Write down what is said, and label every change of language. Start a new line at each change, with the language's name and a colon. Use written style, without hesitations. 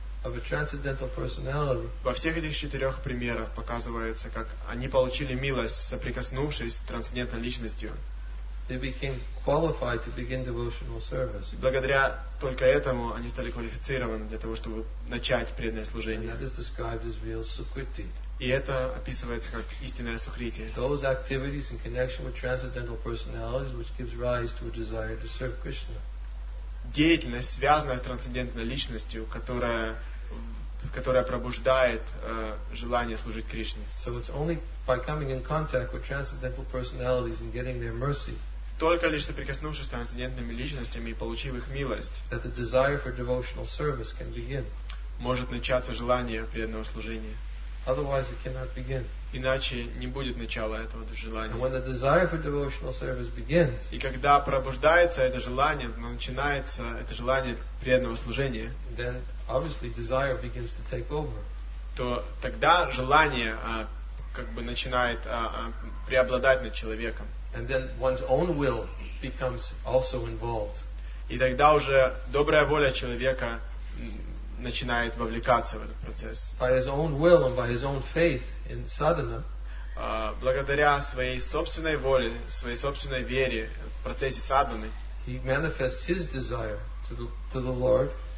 Russian: Во всех этих четырех примерах показывается, как они получили милость, соприкоснувшись с трансцендентной личностью.
English: They became qualified to begin devotional service.
Russian: Благодаря только этому они стали квалифицированы для того, чтобы начать преданное служение.
English: And that is described as real sukriti.
Russian: И это описывается как истинное сукрити.
English: Those activities in connection with transcendental personalities, which gives rise to a desire to serve Krishna.
Russian: Деятельность, связанная с трансцендентной личностью, которая пробуждает желание служить Кришне.
English: So it's only by coming in contact with transcendental personalities and getting their mercy.
Russian: Только лишь соприкоснувшись с трансцендентными личностями и получив их милость,
English: that the desire for devotional service can begin.
Russian: Может начаться желание преданного служения.
English: Otherwise it cannot begin.
Russian: Иначе не будет начала этого желания.
English: And when the desire for devotional service begins,
Russian: и когда пробуждается это желание, начинается это желание преданного служения,
English: then obviously desire begins to take over.
Russian: То тогда желание как бы начинает преобладать над человеком.
English: And then one's own will becomes also involved.
Russian: И тогда уже добрая воля человека начинает вовлекаться в этот процесс.
English: By his own will and by his own faith in sadhana,
Russian: благодаря своей собственной воле, своей собственной вере в процессе садханы,
English: he manifests his desire to the Lord.